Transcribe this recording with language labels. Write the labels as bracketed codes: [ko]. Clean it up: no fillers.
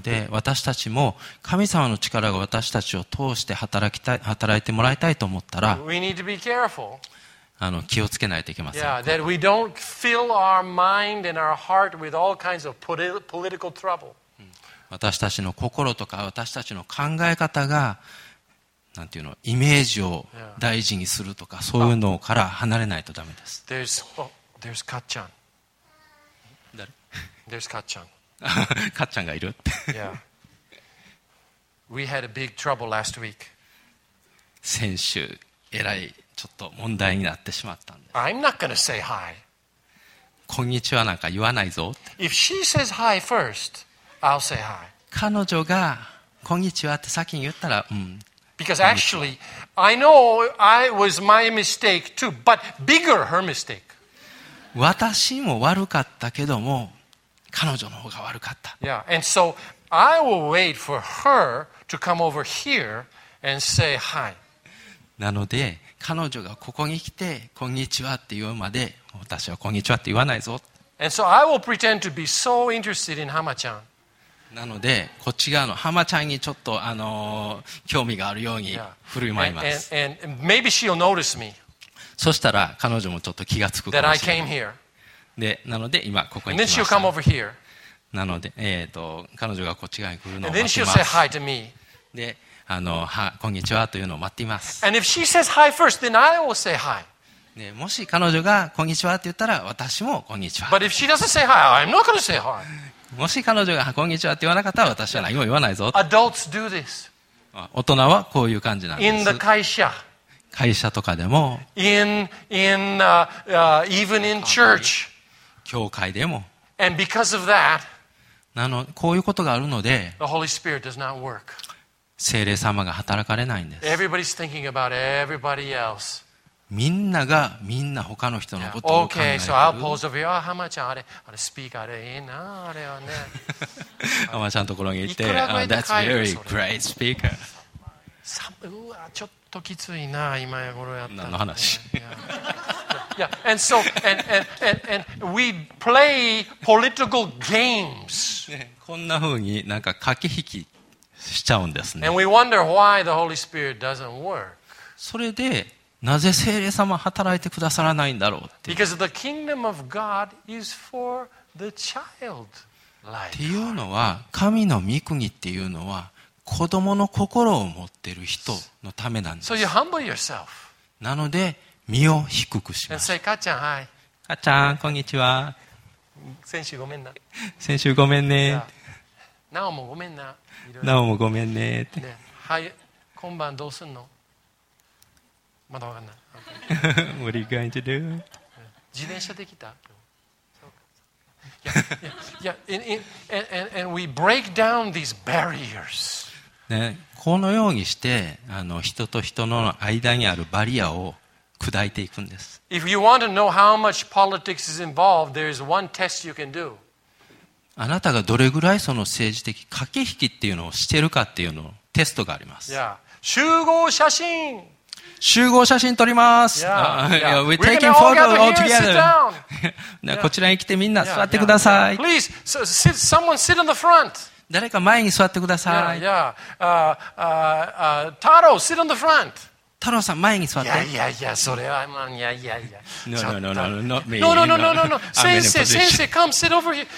[ja] 私たちも神様の力が私たちを通して働いてもらいたいと思ったら、 [en] we need to be careful. [ja] あの、気をつけないといけません。 [en] Yeah, that we don't fill our mind and our heart with all kinds of political trouble. [ja] 私たちの心とか私たちの考え方が、なんていうの、イメージを大事にするとか、そういうのから離れないとダメです。 [en] There's Kat-chan. [ja] 誰？ [en] There's Kat-chan. [ja] Kat-chan がいる？ [en] Yeah. We had a big trouble last week. [ja] 先週、えらい。ちょっと問題になってしまったんです。 [en] I'm not gonna say hi. [ja] こんにちはなんか言わないぞ。 [en] If she says hi first, I'll say hi. [ja] 彼女がこんにちはって先に言ったら、うん。 [en] Because actually, I know I was my mistake too, but bigger her mistake. [ja] 私も悪かったけども、彼女の方が悪かった。 [en] Yeah, and so I will wait for her to come over here and say hi. [ja] なので、彼女がここに来て、こんにちはって言うまで、私はこんにちはって言わないぞ。 [en] And so I will pretend to be so interested in Hama-chan. [ja] なのでこっち側のハマちゃんにちょっと興味があるように振る舞います。 [en] And maybe she'll notice me. [ja] そしたら彼女もちょっと気がつくかもしれない。 [en] That I came here. [ja] でなので今ここに来ました。 [en] And then she'll come over here. [ja] なので彼女がこっち側に来るのを待っています。 [en] And then she'll say hi to me. [ja] でこんにちはというのを待っています。 [en] And if she says hi first, then I will say hi. [ja] ね、もし彼女がこんにちはって言ったら私もこんにちは。 [en] But if she doesn't say hi, I'm not going to say hi. [ja] もし彼女がこんにちはって言わなかったら私は何も言わないぞ。 [en] Adults do this. [ja] 大人はこういう感じなんです。 [en] In the 会社。 [ja] 会社とかでも。 [en] Even in church. [ja] 教会でも。 [en] And because of that, [ja] こういうことがあるので、 [en] the Holy Spirit does not work. [ja] 聖霊様が働かれないんです。 [en] Everybody's thinking about everybody else. [ja] みんながみんな他の人のことを考えている。 [en] Okay, so I'll pause over here. [ja] ハマちゃんあれスピーカーでいいなあれはね。ハマちゃんのところに行って、 [en] That's very great speaker. [ja] うわちょっときついな今頃やったって。何の話？ [en] Yeah, and so and we play political games. [ja] こんな風になんか駆け引きしちゃうんですね。 [en] And we wonder why the Holy Spirit doesn't work. [ja] それで。なぜ聖霊様働いてくださらないんだろうって。 [en] Because the kingdom of God is for the child like. [ja] っていうのは神の御国っていうのは子供の心を持っている人のためなんです。 [en] So you humble yourself. [ja] なので身を低くします。 [en] And say, かっちゃん、はい。 [ja] かっちゃん、こんにちは。先週ごめんな。先週ごめんね。なおもごめんな。なおもごめんね。ね、はい、今晩どうすんの？まだ分かんない。 [en] What are you going to do? [ja] 自転車できた。 [en] And we break down these barriers. [ja] このようにして人と人の間にあるバリアを砕いていくんです。 [en] If you want to know how much politics is involved, there is one test you can do. [ja] あなたがどれぐらいその政治的駆け引きっていうのをしてるかっていうのをテストがあります。 Yeah. 集合写真。集合写真撮ります。 [en] Yeah, yeah. We're taking photo all together. [ja] こちらに来てみんな座ってください。 [en] Please, someone sit in the front. [ja] 誰か前に座ってください。 [en] Taro, sit in the front. [ja] Taro さん前に座って。いや、それはもういや。 [en] No, not me. No. [ja] 先生、 [en] come sit over here.